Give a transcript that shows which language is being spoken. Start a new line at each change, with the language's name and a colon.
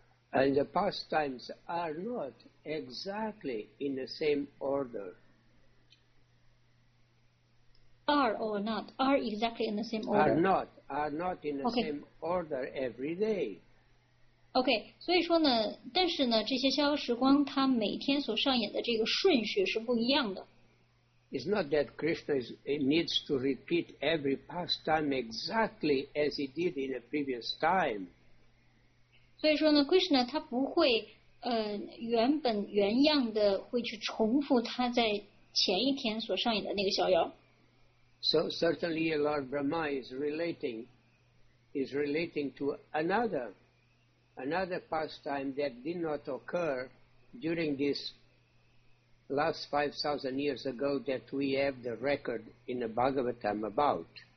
English: And the pastimes are not exactly in the same order. Are exactly in the same order. Are not in the same order every day.
Chinese: Okay, 所以说呢，但是呢，这些逍遥时光它每天所上演的这个顺序是不一样的。
English: It's not that Krishna needs to repeat every pastime exactly as he did in a previous time.
Chinese: 所以说呢 ，Krishna 他不会原本原样的会去重复他在前一天所上演的那个逍遥。
English: So certainly Lord Brahma is relating to another pastime that did not occur during this last 5,000 years ago that we have the record in the Bhagavatam about.